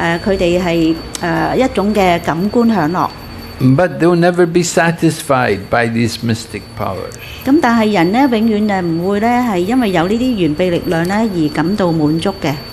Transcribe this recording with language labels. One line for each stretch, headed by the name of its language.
Chinese: 有些人喜歡得到完備的力量,這是他們一種感官享樂。
English: But they'll never be satisfied by these mystic powers.
Chinese: 但是人永遠不會因為有這些完備力量而感到滿足的。